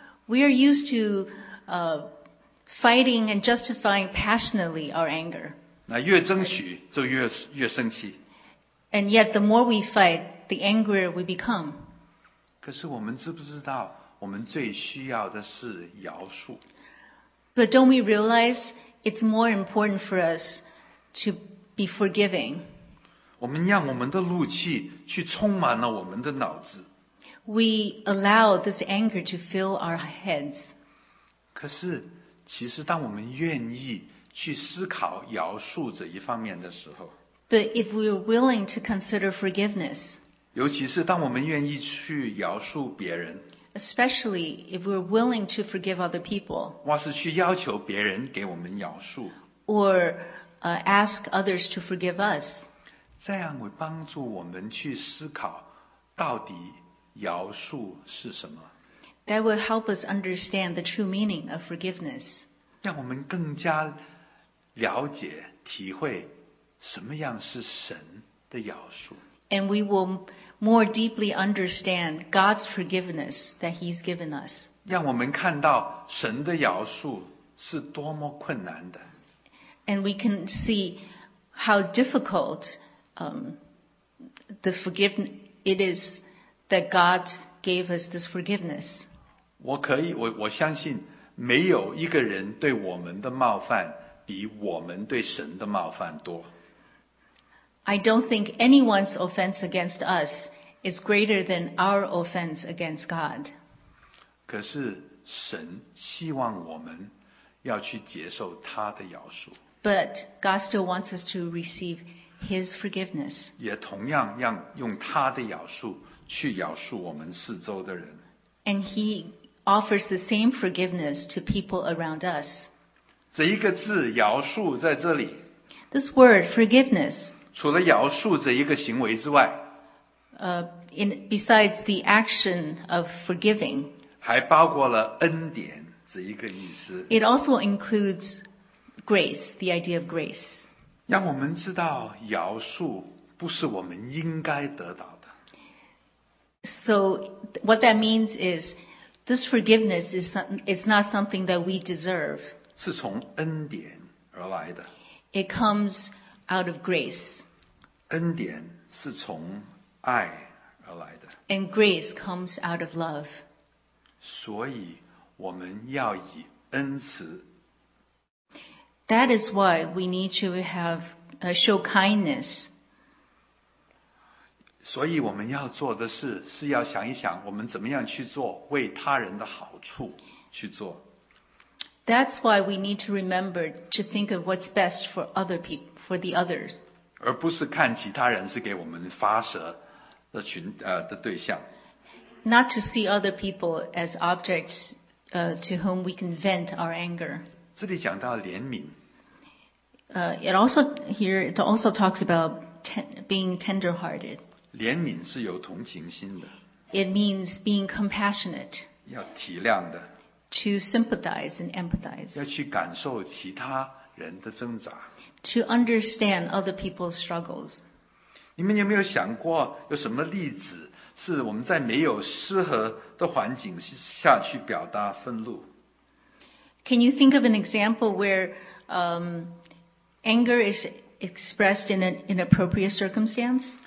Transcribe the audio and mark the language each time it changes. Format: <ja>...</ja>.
<en>We are used to fighting and justifying passionately our anger.</en> <zh>那越争取就 越生气。</zh> <en>And yet the more we fight, the angrier we become.</en> <zh>可是我们知不知道我们最需要的是饶恕。</zh> <en>But don't we realize it's more important for us to be forgiving?</en> <zh>我们让我们的怒气去充满了我们的脑子。</zh> <en>We allow this anger to fill our heads.</en> <zh>可是其实当我们愿意去思考饶恕这一方面的时候，</zh> <en>But if we are willing to consider forgiveness,</en> <zh>尤其是当我们愿意去饶恕别人，</zh> <en>Especially if we are willing to forgive other people,</en> <zh>或是去要求别人给我们饶恕，</zh> <en>Or ask others to forgive us,</en> <zh>这样会帮助我们去思考到底饶恕是什么。</zh> <en>That will help us understand the true meaning of forgiveness.</en> <zh>让我们更加了解、体会什么样是神的饶恕。</zh> <en>And we will more deeply understand God's forgiveness that He's given us.</en> <zh>让我们看到神的饶恕是多么困难的。</zh> <en>And we can see how difficult the forgiveness it is that God gave us this forgiveness.</en> <zh>我相信没有一个人对我们的冒犯比我们对神的冒犯多。</zh> <en>I don't think anyone's offense against us is greater than our offense against God.</en> <zh>可是神希望我们要去接受他的饶恕。</zh> <en>But God still wants us to receive His forgiveness.</en> <zh>也同样让用他的饶恕去饶恕我们四周的人。</zh> <en>And He offers the same forgiveness to people around us.</en> <zh>这一个字饶恕在这里。</zh> <en>This word forgiveness.</en> <zh>除了饶恕这一个行为之外。</zh> <en>Besides the action of forgiving.</en> <zh>还包括了恩典这一个意思。</zh> <en>It also includes grace, the idea of grace.</en> <zh>让我们知道饶恕不是我们应该得到的。</zh> <en>So what that means is,This forgiveness is not something that we deserve.</en> <zh>是从恩典而来的。</zh> <en>It comes out of grace.</en> <zh>恩典是从爱而来的。</zh> <en>And grace comes out of love.</en> <zh>所以我们要以恩慈。</zh> <en>That is why we need to have show kindness.</en> <zh>所以我们要做的事是要想一想我们怎么样去做为他人的好处去做。</zh> <en>That's why we need to remember to think of what's best for other people, for the others.</en> <zh>而不是看其他人是给我们发舌的对象。</zh> <en>Not to see other people as objects to whom we can vent our anger.</en> <zh>这里讲到怜悯。</zh> <en>It also talks about being tender-hearted.</en> <zh>怜悯是有同情心的。</zh> <en>It means being compassionate.</en> <zh>要体谅的。</zh> <en>To sympathize and empathize.</en> <zh>要去感受其他人的挣扎。</zh> <en>To understand other people's struggles.</en> <zh>你们有没有想过有什么例子是我们在没有适合的环境下去表达愤怒？</zh> <en>Can you think of an example where anger is expressed in an inappropriate circumstance?</en>